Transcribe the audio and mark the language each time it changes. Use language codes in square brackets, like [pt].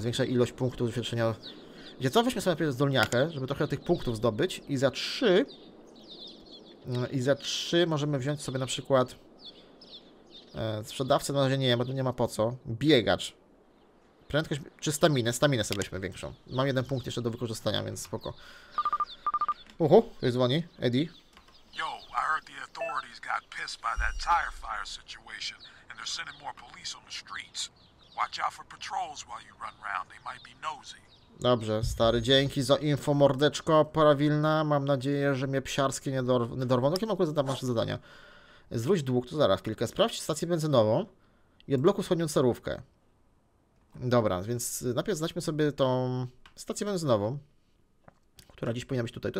[pl] Zwiększa ilość punktów doświadczenia. Gdzie co? Weźmy sobie najpierw zdolniachę, żeby trochę tych punktów zdobyć. I za 3... I za 3 możemy wziąć sobie na przykład... Sprzedawcę na razie nie, bo tu nie ma po co. Biegacz. Prędkość czy staminę? Staminę sobie weźmy większą. Mam jeden punkt jeszcze do wykorzystania, więc spoko. Uhu, ktoś dzwoni. Eddie. [en] Yo, I heard the authorities got pissed by that tire fire situation and they're sending more police on the streets. Watch out for patrols while you run around. They might be nosy. [pl] Dobrze, stary, dzięki za info, mordeczko prawilna. Mam nadzieję, że mnie psiarskie nie dorwą. No kim akurat zadam wasze zadania? Zwróć dług, to zaraz chwilkę. Sprawdź stację benzynową i odblokuj wschodnią cerówkę. Dobra, więc najpierw znajdźmy sobie tą stację benzynową, która dziś powinna być tutaj.